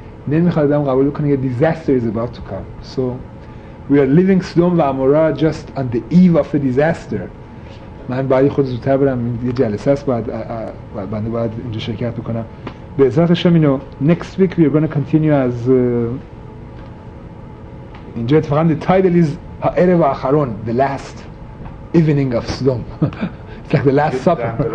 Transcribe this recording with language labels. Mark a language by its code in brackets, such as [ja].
[fa] نمیخواد آدم قبول بکنه که [en] disaster is about to come. So we are living Sodom و Amora just on the eve of a disaster. [fa] من باید خود زودتر برم یه جلسه است، باید اینجا شرکت بکنم. به عزت شما اینو [en] next week we are going to continue as [fa] اینجا اتفاقا [en] the title is [fa] ها و آخرون [en] the last evening of Sodom. It's like the last supper.